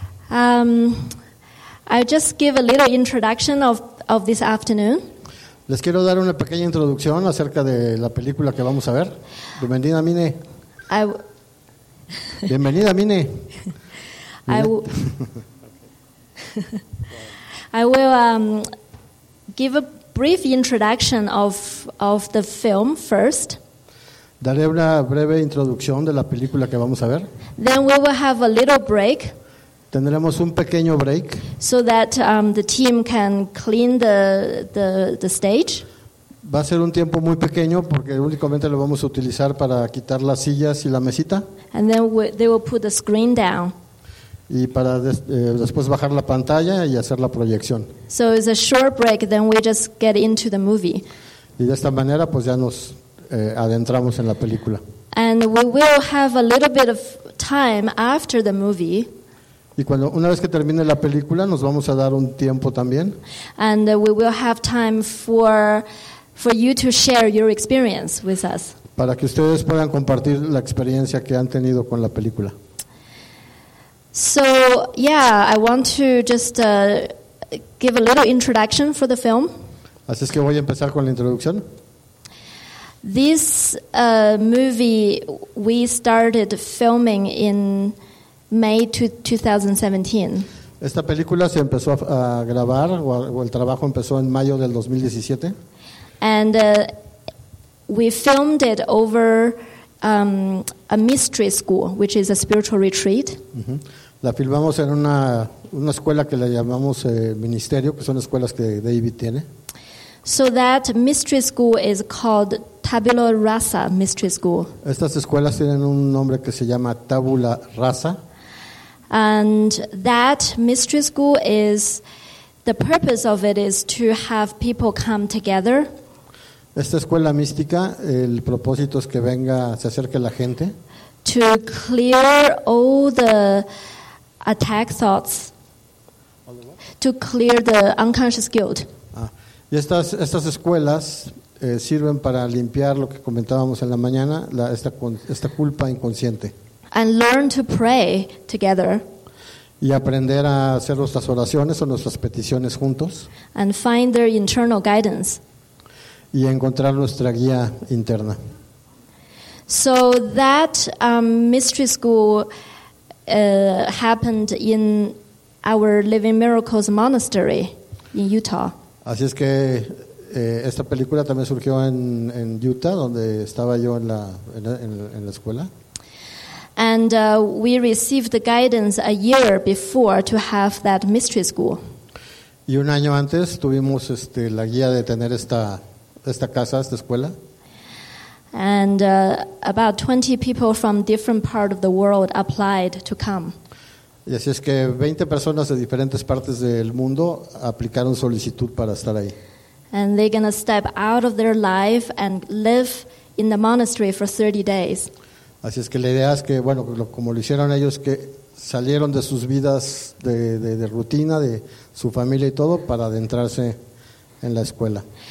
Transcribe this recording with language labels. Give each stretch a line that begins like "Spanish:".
English: I'll just give a little introduction of this afternoon.
Spanish: Les quiero dar una pequeña introducción acerca de la película que vamos a ver. Bienvenida, Mine. Bienvenida, Mine.
English: I will give a brief introduction of the film first.
Spanish: Daré una breve introducción de la película que vamos a ver.
English: Then we will have a little break.
Spanish: Tendremos un pequeño break.
English: So that the team can clean the stage.
Spanish: Va a ser un tiempo muy pequeño porque únicamente lo vamos a utilizar para quitar las sillas y la mesita.
English: And then they will put the screen down.
Spanish: Y para después bajar la pantalla y hacer la proyección.
English: So it's a short break, then we just get into the movie.
Spanish: Y de esta manera pues ya nos adentramos en la película.
English: And we will have a little bit of time after the movie.
Spanish: Y cuando una vez que termine la película nos vamos a dar un tiempo también.
English: And we will have time for you to share your experience with us.
Spanish: Para que ustedes puedan compartir la experiencia que han tenido con la película.
English: So, yeah, I want to just give a little introduction for the film.
Spanish: Así es que voy a empezar con la introducción.
English: This movie we started filming in May 2017.
Spanish: Esta película se empezó a grabar o el trabajo empezó en mayo del 2017.
English: And we filmed it over a mystery school, which is a spiritual retreat.
Spanish: La filmamos en una escuela que le llamamos ministerio, que son escuelas que David tiene.
English: So that mystery school is called Tabula Rasa Mystery School.
Spanish: Estas escuelas tienen un nombre que se llama Tabula Rasa.
English: And that mystery school is, the purpose of it is to have people come together.
Spanish: Esta escuela mística, el propósito es que venga, se acerque la gente.
English: To clear all the attack thoughts. To clear the unconscious guilt.
Spanish: Y estas escuelas sirven para limpiar lo que comentábamos en la mañana, esta culpa inconsciente.
English: And learn to pray together.
Spanish: Y aprender a hacer nuestras oraciones o nuestras peticiones juntos.
English: And find their internal guidance.
Spanish: Y encontrar nuestra guía interna.
English: So that mystery school happened in our Living Miracles Monastery in Utah.
Spanish: Así es que esta película también surgió en Utah, donde estaba yo en la escuela.
English: And we received the guidance a year before to have that mystery school.
Spanish: Y un año antes tuvimos la guía de tener esta casa, esta escuela.
English: And about 20 people from different part of the world applied to come.
Spanish: Y así es que 20 personas de diferentes partes del mundo aplicaron solicitud para estar ahí.
English: And they're going to step out of their life and live in the monastery for 30 days.
Spanish: Así es que la idea es que, bueno, como lo hicieron ellos, que salieron de sus vidas de rutina, de su familia y todo, para adentrarse en la escuela.